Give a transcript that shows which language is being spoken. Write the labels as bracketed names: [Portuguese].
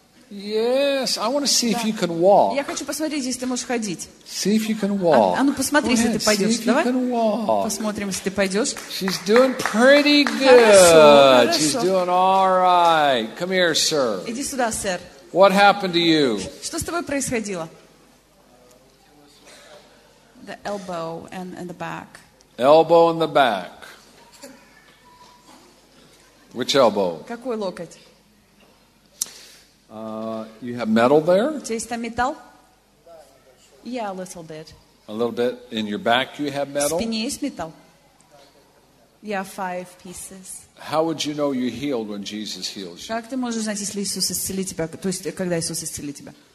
[English] Yes, I want to see if you can walk. [Russian] Я хочу посмотреть, если ты можешь ходить. [English] See if you can walk. [Russian] А ну посмотри, если ты пойдешь. [English] See if you can walk. [Russian] Посмотрим, если ты пойдешь. [English] She's doing pretty good. She's doing all right. Come here, sir. [Russian] Иди сюда, сэр. [English] What happened to you? [Russian] Что с тобой происходило? [English] The elbow and in the back. Elbow in the back. Which elbow? [Russian] Какой локоть? [English] You have metal there? [Russian] Здесь там металл? [English] Yeah, a little bit. A little bit in your back you have metal? [Russian] В спине есть металл? [English] Yeah, five pieces. How would you know you healed when Jesus heals you? [Russian] Как ты можешь знать, если Иисус исцелит тебя, то есть когда Иисус исцелит тебя?